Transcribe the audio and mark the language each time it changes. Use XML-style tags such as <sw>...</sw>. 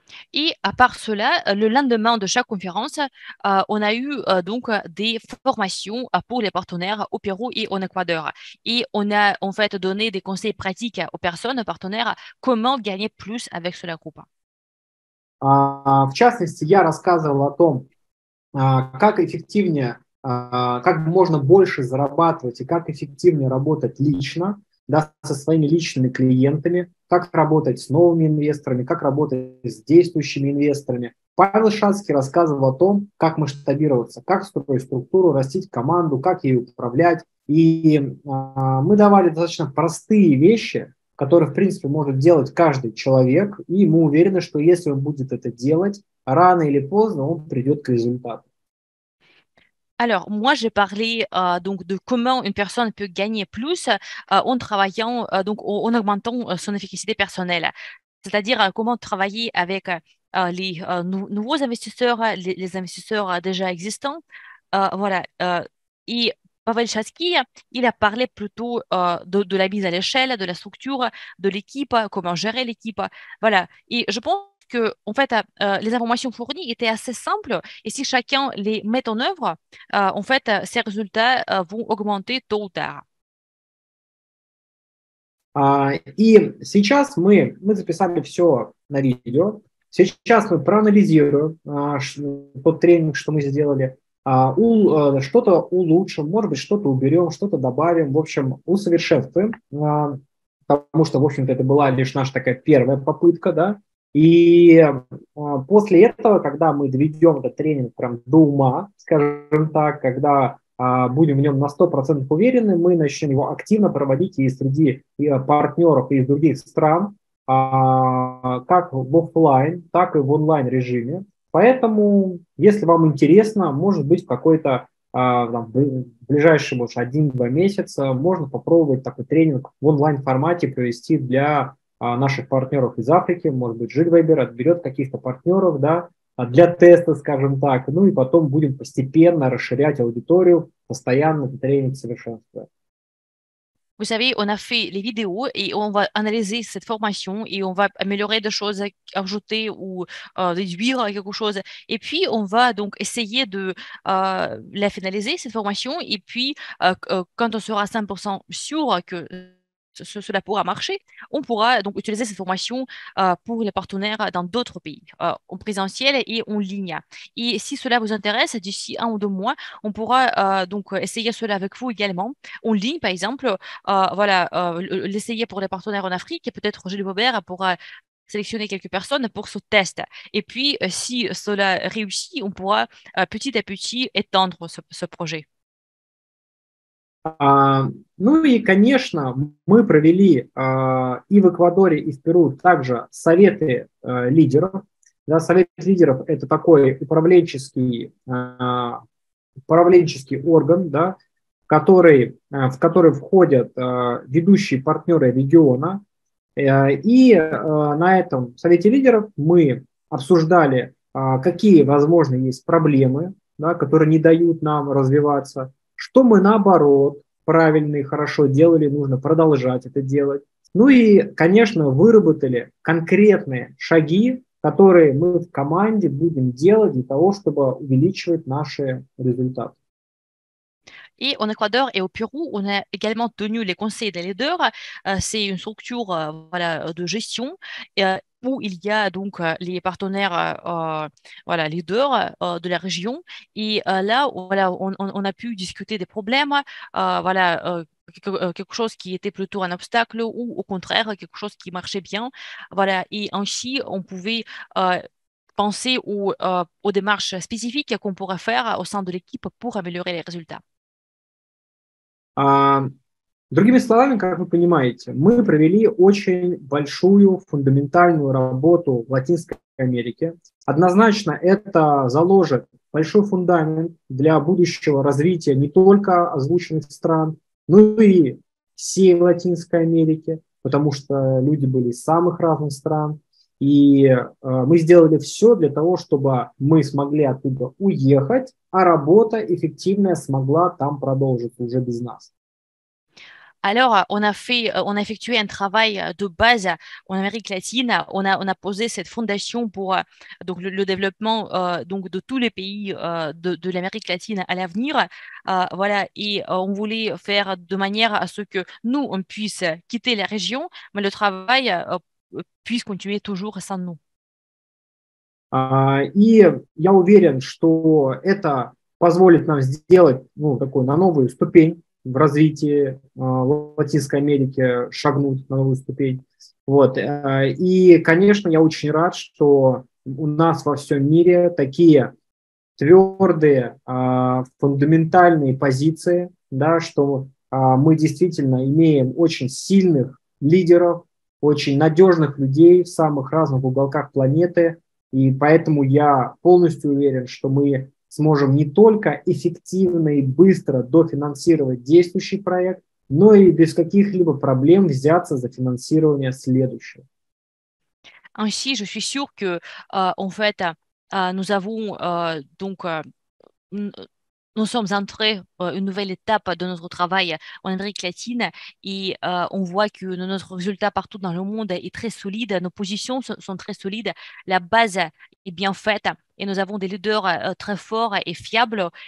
<fr>Et à part cela, le lendemain de chaque conférence, on a eu donc des formations pour les partenaires au Pérou et en Équateur. Et on a en fait donné des conseils pratiques aux personnes, aux partenaires, comment gagner plus avec Solo Group.</fr> <ru>В частности, я рассказывал о том, как эффективнее как можно больше зарабатывать и как эффективнее работать лично, да, со своими личными клиентами, как работать с новыми инвесторами, как работать с действующими инвесторами. Павел Шацкий рассказывал о том, как масштабироваться, как строить структуру, растить команду, как ее управлять. И мы давали достаточно простые вещи, которые, в принципе, может делать каждый человек, и мы уверены, что если он будет это делать, рано или поздно он придет к результату.</ru> <fr>Alors, moi, j'ai parlé donc de comment une personne peut gagner plus en travaillant, donc en augmentant son efficacité personnelle. C'est-à-dire comment travailler avec les nouveaux investisseurs, les investisseurs déjà existants. Voilà. Et Pavel Chatsky, il a parlé plutôt de la mise à l'échelle, de la structure, de l'équipe, comment gérer l'équipe. Voilà. Et je pense que, en fait, les informations fournies étaient assez simples et si chacun les met en œuvre, en fait, ces résultats vont augmenter tôt ou tard.</fr> <ru>И сейчас мы записали все на видео. Сейчас мы проанализируем тот тренинг, что мы сделали. Что-то улучшим, может быть, что-то уберем, что-то добавим, в общем, усовершенствуем, потому что, в общем-то, это была лишь наша такая первая попытка, да. И после этого, когда мы доведем этот тренинг прям до ума, скажем так, когда будем в нем на 100% уверены, мы начнем его активно проводить и среди партнеров из других стран, как в офлайн, так и в онлайн режиме. Поэтому, если вам интересно, может быть, в какой-то там, в ближайшие может, 1-2 месяца можно попробовать такой тренинг в онлайн формате провести для наших партнеров из Африки, может быть, Жигвайбер отберет каких-то партнеров, да, для теста, скажем так, ну и потом будем постепенно расширять аудиторию, постоянно тренинг совершенствовать.</ru> <fr>Vous savez, on a fait les vidéos et on va analyser cette formation et on va améliorer des choses, ajouter ou réduire quelque chose. Et puis, on va donc essayer de la finaliser, cette formation. Et puis, quand on sera 100% sûr que cela pourra marcher, on pourra donc utiliser cette formation pour les partenaires dans d'autres pays, en présentiel et en ligne. Et si cela vous intéresse, d'ici un ou deux mois, on pourra donc essayer cela avec vous également, en ligne par exemple, l'essayer pour les partenaires en Afrique, et peut-être Gilles Bobert pourra sélectionner quelques personnes pour ce test. Et puis, si cela réussit, on pourra petit à petit étendre ce projet.</fr> <ru>Ну и, конечно, мы провели и в Эквадоре, и в Перу также советы лидеров. Да, совет лидеров – это такой управленческий орган, да, в который входят ведущие партнеры региона. И на этом совете лидеров мы обсуждали, какие, возможно, есть проблемы, да, которые не дают нам развиваться, что мы наоборот правильно и хорошо делали, нужно продолжать это делать. Ну и, конечно, выработали конкретные шаги, которые мы в команде будем делать для того, чтобы увеличивать наши результаты.</ru> <fr>Et en Équateur et au Pérou, on a également tenu les conseils des leaders. C'est une structure voilà, de gestion où il y a donc les partenaires voilà, leaders de la région. Et là, voilà, on a pu discuter des problèmes, voilà, quelque chose qui était plutôt un obstacle ou au contraire, quelque chose qui marchait bien. Voilà, et ainsi, on pouvait penser aux démarches spécifiques qu'on pourrait faire au sein de l'équipe pour améliorer les résultats.</fr> <ru>Другими словами, как вы понимаете, мы провели очень большую фундаментальную работу в Латинской Америке. Однозначно это заложит большой фундамент для будущего развития не только озвученных стран, но и всей Латинской Америки, потому что люди были из самых разных стран. И мы сделали все для того, чтобы мы смогли оттуда уехать, а работа эффективная смогла там продолжиться уже без нас.</ru> <fr>Alors, on a effectué un travail de base en Amérique latine. On a posé cette fondation pour donc le développement donc de tous les pays de l'Amérique latine à l'avenir. Voilà, et on voulait faire de manière à ce que nous on puisse quitter la région, mais le travail puisse continuer toujours sans nous.</fr> <ru>И я уверен, что это позволит нам сделать ну, такой на новую ступень в развитии Латинской Америки, шагнуть на новую ступень. Вот. И, конечно, я очень рад, что у нас во всем мире такие твердые фундаментальные позиции, да, что мы действительно имеем очень сильных лидеров, очень надежных людей в самых разных уголках планеты. И поэтому я полностью уверен, что мы сможем не только эффективно и быстро дофинансировать действующий проект, но и без каких-либо проблем взяться за финансирование следующего.</ru> <fr>Ainsi, je suis sûr que en fait nous avons donc nous sommes entrés une nouvelle étape de notre travail en Amérique latine et on voit que notre résultat partout dans le monde est très solide, nos positions sont très solides, la base est bien faite et nous avons des leaders très forts et fiables.</fr>